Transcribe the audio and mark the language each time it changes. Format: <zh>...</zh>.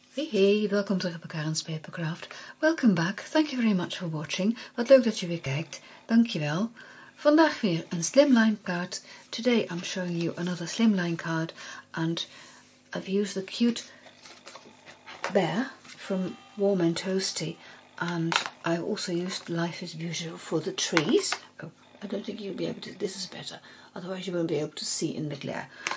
<nl>Hey, welkom terug bij Karin's Papercraft.</nl> <en>Welcome back, thank you very much for watching.</en> <nl>Wat leuk dat je weer kijkt, dankjewel. Vandaag weer een slimline card.</nl> <en>Today I'm showing you another slimline card. And I've used the cute bear from Warm and Toasty. And I've also used Life is Beautiful for the trees. Oh, I don't think you'll be able to, this is better. Otherwise you won't be able to see in the glare.</en>